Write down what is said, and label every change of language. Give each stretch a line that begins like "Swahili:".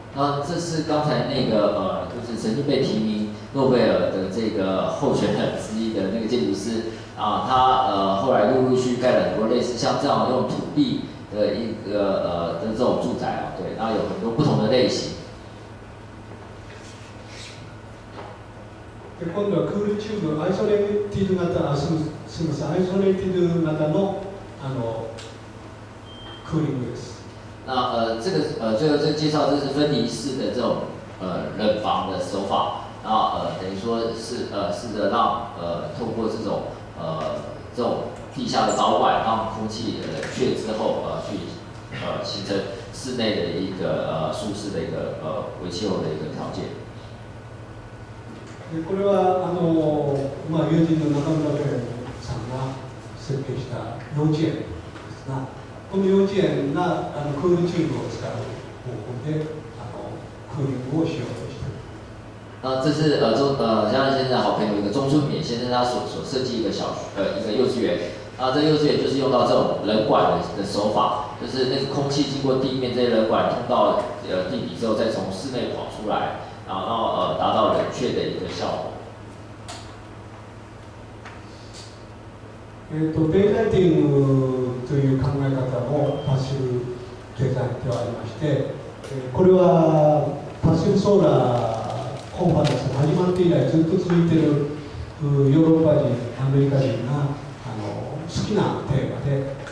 Chinese: 那这是刚才那个就是曾经被提名诺贝尔的这个候选人之一的那个建筑师啊，他后来陆陆续盖了很多类似像这样用土地的一个的这种住宅啊，对，那有很多不同的类型。
Japanese: で今度はクールチューブ、アイソレーティド型、すみません、アイソレーティド型のクーリングです。
Chinese: 那这个最后这介绍就是分离式的这种冷房的手法，然后等于说是试着让透过这种地下的导管，让空气冷却之后去形成室内的一个舒适的一个维气候的一个条件。
Japanese: これは友人の中村ペレさんが設計した幼稚園ですが。この幼稚園がクールチューブを使う方法でクーリングをしようとしている。
Chinese: 这是像现在好朋友一个中村勉先生他所设计一个小学一个幼稚园，那这幼稚园就是用到这种冷管的手法，就是那个空气经过地面这些冷管通到地底之后，再从室内跑出来，然后达到冷却的一个效果。
Japanese: デイライティングという考え方もパッシブデザインではありまして、これはパッシブソーラーコンファレンスが始まって以来ずっと続いているヨーロッパ人、アメリカ人が好きなテーマで、